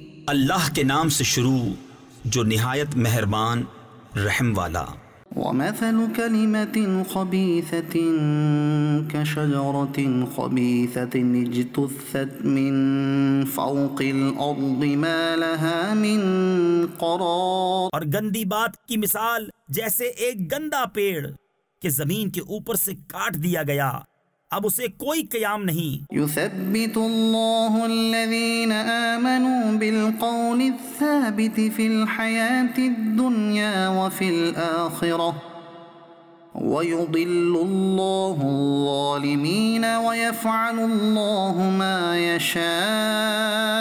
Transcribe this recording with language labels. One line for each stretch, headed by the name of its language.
Urdu: اللہ کے نام سے شروع جو نہایت مہربان رحم والا
Arabic: ومثل كلمة خبيثة كشجرة خبيثة اجتثت من فوق الأرض ما لها من قرار
Urdu: اور گندی بات کی مثال جیسے ایک گندا پیڑ کہ زمین کے اوپر سے کاٹ دیا گیا اب اسے کوئی قیام نہیں
Arabic: یثبت اللہ الذین آمنوا بالقول الثابت فی الحیاۃ الدنیا وفی الآخرة ویضل اللہ الظالمین ویفعل اللہ ما یشاء